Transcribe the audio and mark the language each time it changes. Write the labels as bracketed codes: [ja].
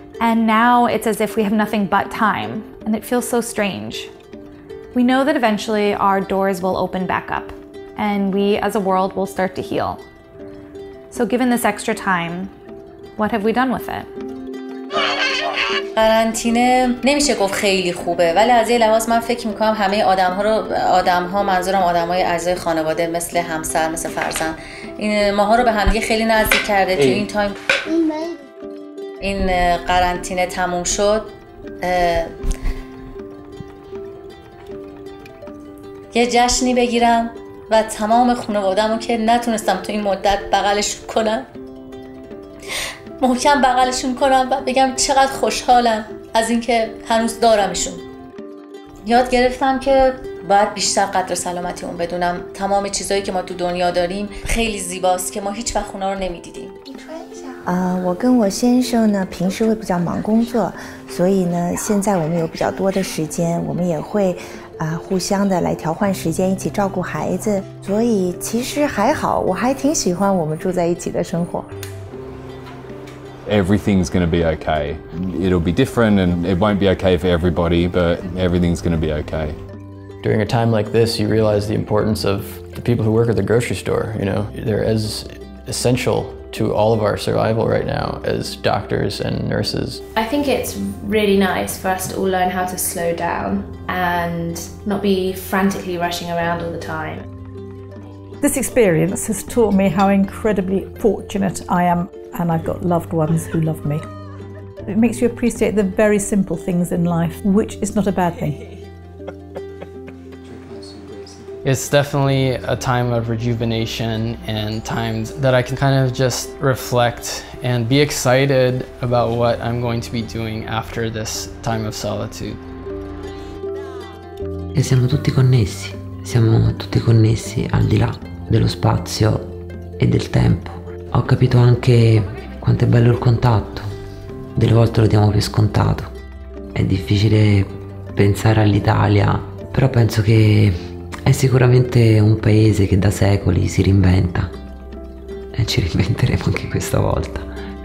[en] And now it's as if we have nothing but time, and it feels so strange. We know that eventually our doors will open back up, and we as a world will start to heal. So given this extra time, what have we done with it? [fa] قرنطینه نمیشه گفت خیلی خوبه، ولی از یه لحاظ من فکر میکنم همه آدم ها رو، آدم ها منظورم آدم های اعضای خانواده مثل همسر، مثل فرزند، این ماها رو به همدیگه خیلی نزدیک کرده. تو این تایم این قرنطینه تموم شد، یه جشنی بگیرم و تمام خانواده همون که نتونستم تو این مدت بغلش کنم محکم بغلشون کنم و بگم چقدر خوشحالم از اینکه هنوز دارمشون. یاد گرفتم که باید بیشتر قدر سلامتی اون بدونم. تمام چیزایی که ما تو دنیا داریم خیلی زیباست که ما هیچ وقت اونا رو نمیدیدیم. [zh] 我跟我先生呢平时会比较忙工作，所以呢现在我们有比较多的时间，我们也会互相的来调换时间，一起照顾孩子，所以其实还好，我还挺喜欢我们住在一起的生活。 [en] Everything's going to be okay. It'll be different and it won't be okay for everybody, but everything's going to be okay. During a time like this, you realize the importance of the people who work at the grocery store. You know, they're as essential to all of our survival right now as doctors and nurses. I think it's really nice for us to all learn how to slow down and not be frantically rushing around all the time. This experience has taught me how incredibly fortunate I am. And I've got loved ones who love me. It makes you appreciate the very simple things in life, which is not a bad thing. It's definitely a time of rejuvenation and times that I can kind of just reflect and be excited about what I'm going to be doing after this time of solitude. [it] E siamo tutti connessi. Siamo tutti connessi al di là dello spazio e del tempo. Ho capito anche quanto è bello il contatto. Delle volte lo diamo per scontato. È difficile pensare all'Italia, però penso che è sicuramente un paese che da secoli si reinventa. E ci reinventeremo anche questa volta.